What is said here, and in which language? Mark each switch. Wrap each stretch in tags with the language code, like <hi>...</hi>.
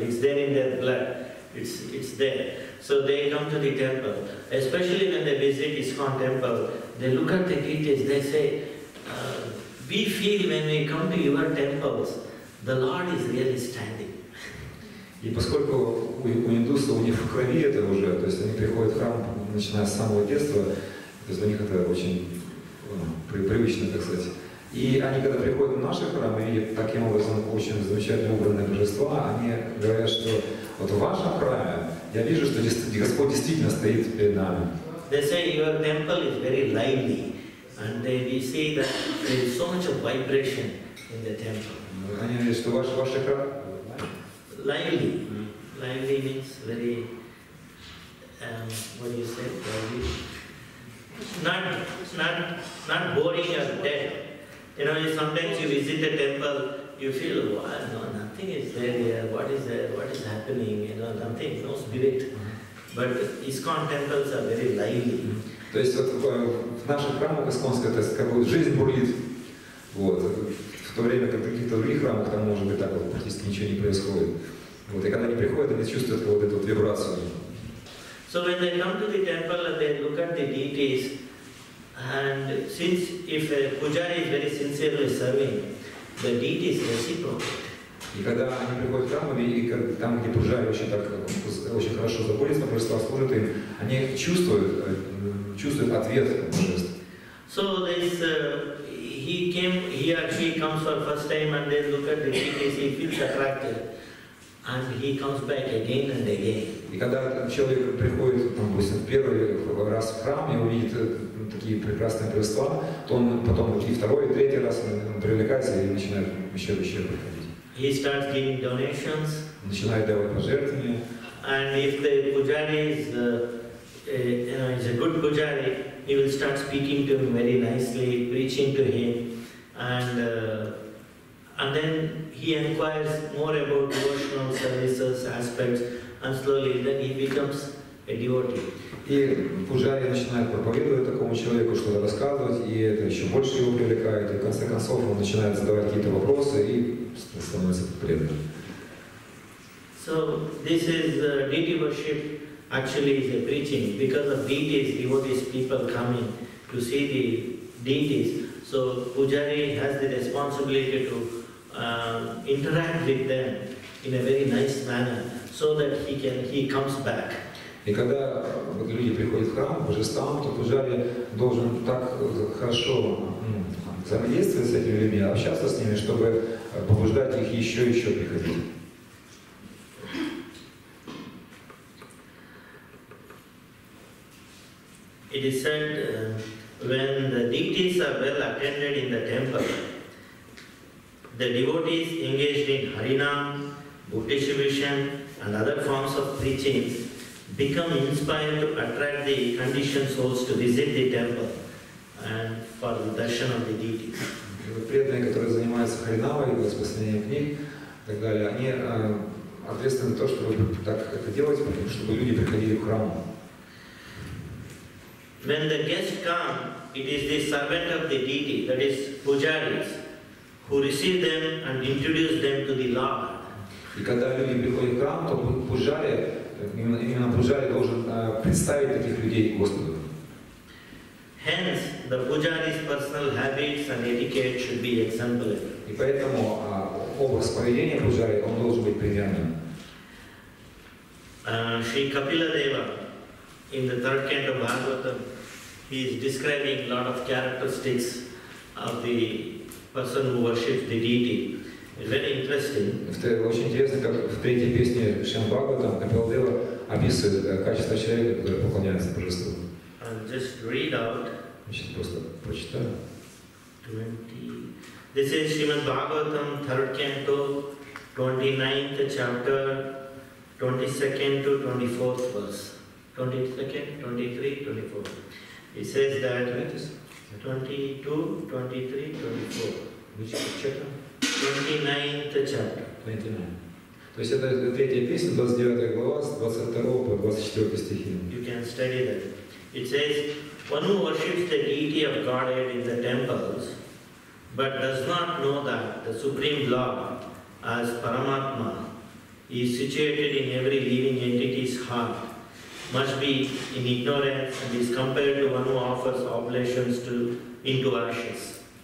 <en>It's there in their blood. It's there. So they come to the temple. Especially when they visit ISKCON temple, they look at the deities. They say, we feel when we come to your temples, the Lord is really standing.</en> <ru>И поскольку у индусов у них в крови это уже, то есть они приходят в храм, начиная с самого детства, то есть для них это очень привычно, так сказать. И они, когда приходят в наши храмы и видят таким образом очень замечательно убранные божества, они говорят, что вот в вашем храме я вижу, что Господь действительно стоит перед нами.</ru> <en>They say your temple is very lively, and we see that there is so much of vibration in the temple.</en> <ru>Они говорят, что ваш храм</ru> <en>lively. Lively means very what do you say? Lively. Not boring or dead. Sometimes you visit a temple, you feel, nothing is there, what is happening, nothing, no spirit. But ISKCON temples are very lively.</en> <ru>То есть вот в наших храмах ISKCON-ских, то есть как бы жизнь бурлит, вот, в то время как в каких-то других храмах, там может быть так вот, практически ничего не происходит. Вот, и когда они приходят, они чувствуют вот эту вибрацию.</ru> <en>So when they come to the temple and they look at the deities, and since if a pujari is very sincerely serving, the deity is reciprocal.</en> <ru>И когда они приходят в храм, и там, где пужари очень так очень хорошо заботятся, просто служат им, они чувствуют ответ.</ru> <en>So this he actually comes for first time and then look at the deity, he feels attracted. And he comes back again and again.</en> <ru>И когда человек приходит, допустим, в первый раз в храм и увидит такие прекрасные божества, то он потом и второй, и третий раз привлекается и начинает еще и еще приходить.</ru> <en>He starts giving donations.</en> <ru>Начинает давать пожертвования.</ru> <en>And if the pujari is, is a good pujari, he will start speaking to him very nicely, preaching to him, and then he inquires more about devotional services aspects, and slowly then he becomes a devotee.</en> <ru>И пуджари начинает проповедовать такому человеку, что-то рассказывать, и это еще больше его привлекает. И в конце концов он начинает задавать какие-то вопросы и становится преданным.</ru> <en>So this is deity worship. Actually, is a preaching because of deities, devotees, people coming to see the deities. So pujari has the responsibility to interact with them in a very nice manner, so that he comes back.</en> <ru>И когда люди приходят в храм, божествам, то пуджари должен так хорошо взаимодействовать с этими людьми, общаться с ними, чтобы побуждать их еще и еще приходить.</ru> <en>It is said when the deities are well attended in the temple, the devotees engaged in harinam, bhuteshivishan, and other forms of preaching become inspired to attract the conditioned souls to visit the temple and for the darshan of the deities.</en> <ru>Преданные, которые занимаются харинамой, распространением книг, так далее, они ответственны за то, чтобы так это делать, чтобы люди приходили в храм.</ru> <en>When the guests come, it is the servant of the deity, that is pujaris, who receive them and introduce them to the Lord.</en> <ru>И когда люди приходят в храм, то пуджари, именно пуджари должен представить таких людей Господу.</ru> <en>Hence, the pujari's personal habits and etiquette should be exemplary.</en> <ru>И поэтому образ поведения пуджари, он должен быть примерным.</ru> <en>Shri Kapila Deva, in the third canto of Bhagavatam, he is describing a lot of characteristics of the person who worships the deity. It's very interesting.</en> <ru>Это очень интересно, как в третьей песне Шримад Бхагаватам Капила Дева описывает качества человека, который поклоняется божеству.</ru> <en>And just read out.</en> <ru>Сейчас просто прочитаю.</ru> <en>20. This is Shrimad Bhagavatam, third canto, 29th chapter, 22nd to 24th verse. 22nd, 23, 24. He says that 22, 23, 24. Which chapter? 29th chapter.</en> <ru>29. То есть это третья песня, 29 глава, 22 по 24 стихи.</ru> <en>You can study that. It says, one who worships the deity of Godhead in the temples, but does not know that the Supreme Lord as Paramatma is situated in every living entity's heart, must be in ignorance and is compared to one who offers oblations to into ashes.</en>